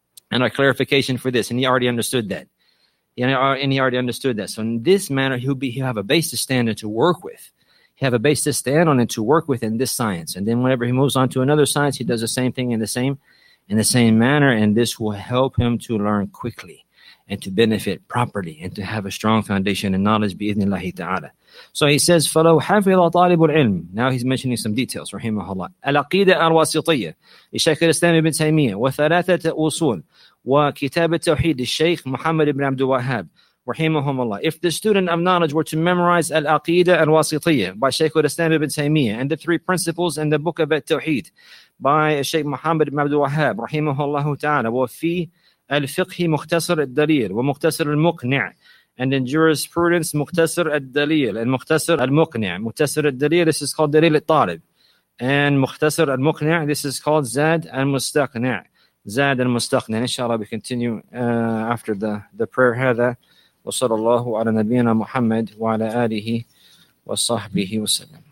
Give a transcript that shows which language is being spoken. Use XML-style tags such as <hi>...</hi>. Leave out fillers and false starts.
<en>And our clarification for this, and he already understood that. So in this manner, he'll have a base to stand and to work with. He have a base to stand on and to work with in this science. And then whenever he moves on to another science, he does the same thing in the same manner, and this will help him to learn quickly and to benefit properly, and to have a strong foundation and knowledge, bi-idhnillahi ta'ala. So he says,</en> <ar>فَلَوْ حَفِظَ طَالِبُ الْعِلْمِ.</ar> <en>Now he's mentioning some details, rahimahullah.</en> <ar>الْعَقِيدَةَ الْوَاسِطِيَّةِ لِشَيْخِ الْإِسْلَامِ بْنِ تَيْمِيَّةِ وَثَلَاثَةَ أُصُولِ وَكِتَابَ التَّوْحِيدِ الشَّيْخ مُحَمَّدِ بْنِ عَبْدُ الْوَهَابِ rahimahumullah.</ar> <en>If the student of knowledge were to memorize Al-Aqidah Al-Wasitiyah by Shaykh al-Islam ibn Taymiyyah and the three principles in the book of At-Tawheed by Shaykh Muhammad ibn Abdul Wahhab rahimahullah ta'ala,</en> <ar>wa fi al-fiqh mukhtasar al-dalil wa mukhtasar al-muqni',</ar> <en>and in jurisprudence mukhtasar al-dalil and mukhtasar al-muqni'. Mukhtasar al-dalil, this is called Dalil al-Talib, and mukhtasar al-muqni', this is called Zad al-Mustaqni'.</en> <ar>زاد المستقنع.</ar> <en>Inshallah, we continue after the prayer.</en> <ar>هذا وصلى الله على نبينا محمد وعلى آله وصحبه وسلم.</ar>